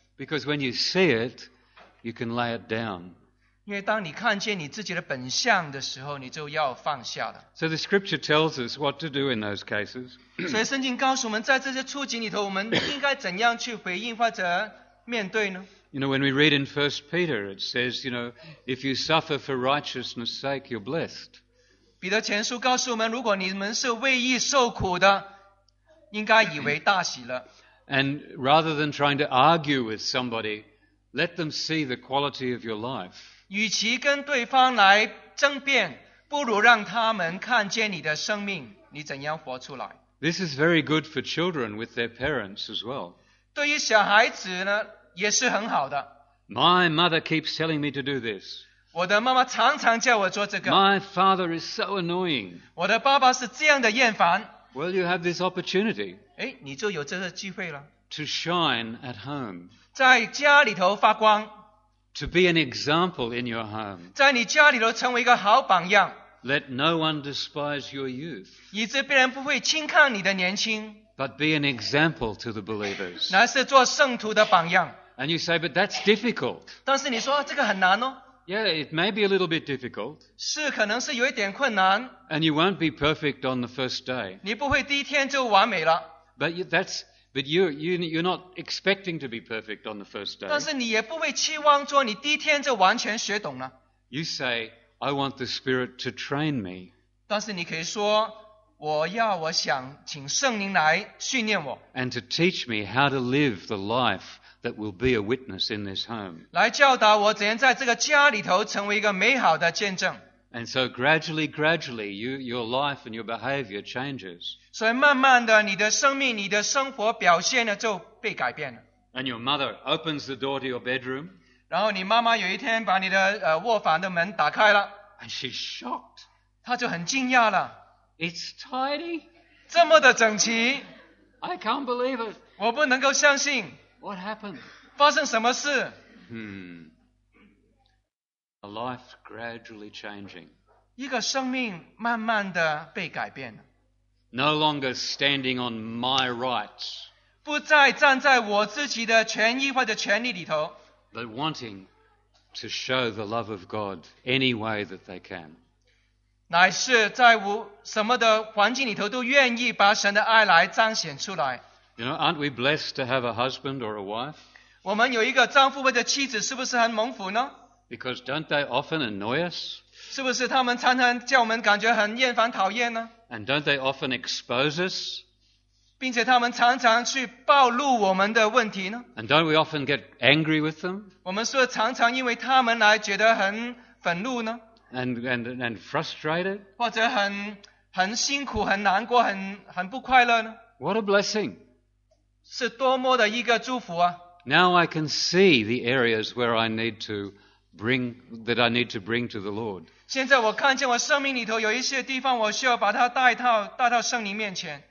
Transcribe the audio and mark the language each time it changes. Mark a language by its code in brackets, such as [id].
[en] Because when you see it, you can lay it down. [zh] 因为当你看见你自己的本相的时候，你就要放下了。 [en] So the scripture tells us what to do in those cases. [zh] 所以圣经告诉我们，在这些处境里头，我们应该怎样去回应或者面对呢？ [en] You know, when we read in 1 Peter, it says, you know, if you suffer for righteousness' sake, you're blessed. [zh] 彼得前书告诉我们，如果你们是为义受苦的，应该以为大喜了。 [en] And rather than trying to argue with somebody, let them see the quality of your life. [zh] 与其跟对方来争辩，不如让他们看见你的生命，你怎样活出来。 [en] This is very good for children with their parents as well. [zh] 对于小孩子呢，也是很好的。 [en] My mother keeps telling me to do this. My father is so annoying. [zh] 我的爸爸是这样的厌烦。 [en] Well, you have this opportunity. [zh] 诶, 你就有这个机会了。 [en] To shine at home. [zh] 在家里头发光。 [en] To be an example in your home. [zh] 在你家里头成为一个好榜样。 [en] Let no one despise your youth. [zh] 以致别人不会轻看你的年轻。 [en] But be an example to the believers. [zh] 乃是做圣徒的榜样。 [en] And you say, but that's difficult. [zh] 但是你说这个很难哦。 [en] Yeah, it may be a little bit difficult. [zh] 是可能是有一点困难, [en] and you won't be perfect on the first day. [zh] 你不会第一天就完美了, [en] but you're not expecting to be perfect on the first day. [zh] 但是你也不会期望说你第一天就完全学懂了。 [en] You say, I want the Spirit to train me. [zh] 但是你可以说, 我要我想请圣灵来训练我。 [en] And to teach me how to live the life that will be a witness in this home. [zh] 来教导我怎样在这个家里头成为一个美好的见证。 [en] And so gradually, your life and your behavior changes. [zh] 所以慢慢的你的生命、你的生活表现呢就被改变了。 [en] And your mother opens the door to your bedroom. [zh] 然后你妈妈有一天把你的卧房的门打开了。 [en] And she's shocked. [zh] 她就很惊讶了。 [en] It's tidy. [zh] 这么的整齐。 [en] I can't believe it. [zh] 我不能够相信。 [en] What happened? [zh] 发生什么事? [en] A life gradually changing. [zh] 一个生命慢慢的被改变了。 [en] No longer standing on my rights. [zh] 不再站在我自己的权益或者权利里头。 [en] But wanting to show the love of God any way that they can. [zh] 乃是在什么的环境里头都愿意把神的爱来彰显出来。 [en] You know, aren't we blessed to have a husband or a wife? [zh] 我们有一个丈夫或者妻子是不是很蒙福呢? [en] Because don't they often annoy us? [zh] 是不是他们常常叫我们感觉很厌烦讨厌呢? [en] And don't they often expose us? [zh] 并且他们常常去暴露我们的问题呢? [en] And don't we often get angry with them? [zh] 我们是不是常常因为他们来觉得很愤怒呢? [en] And frustrated? [zh] 或者很辛苦、很难过、很不快乐呢? [en] What a blessing! [zh] 是多么的一个祝福啊！ [en] Now I can see the areas where I need to bring that I need to bring to the Lord. [zh] 现在我看见我生命里头有一些地方，我需要把它带到圣灵面前。